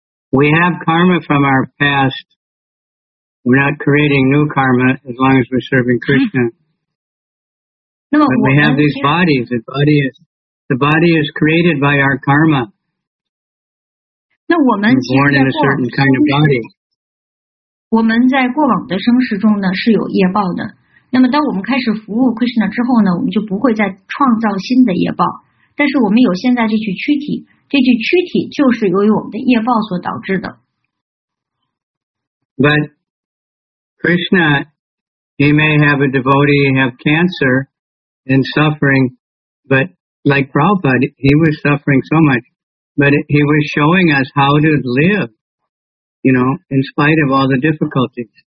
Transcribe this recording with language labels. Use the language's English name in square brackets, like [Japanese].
[English] We have karma from our past. We're not creating new karma as long as we're serving Krishna. But we have these bodies. The body is created by our karma. We're born in a certain kind of body. [Chinese] 我们在过往的生世中呢是有业报的。那么当我们开始服务 Krishna 之后呢，我们就不会再创造新的业报。但是我们有现在这具躯体，这具躯体就是由于我们的业报所导致的。 [English] But,Krishna, he may have a devotee have cancer and suffering, but like Prabhupada, he was suffering so much, but he was showing us how to live, you know, in spite of all the difficulties.